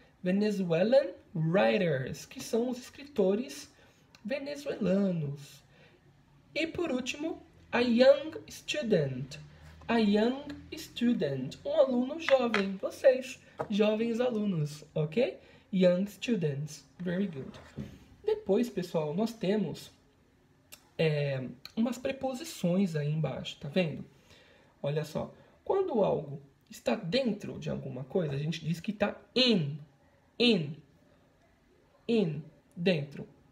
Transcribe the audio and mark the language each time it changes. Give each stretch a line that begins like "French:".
English: Venezuelan writers,
Portuguese: que são os escritores venezuelanos. E por último,
English: a young student. A young student,
Portuguese: um aluno jovem, vocês, jovens alunos, ok?
English: Young students, very good.
Portuguese: Depois, pessoal, nós temos umas preposições aí embaixo, tá vendo? Olha só, quando algo está dentro de alguma coisa, a gente diz que está in, dentro.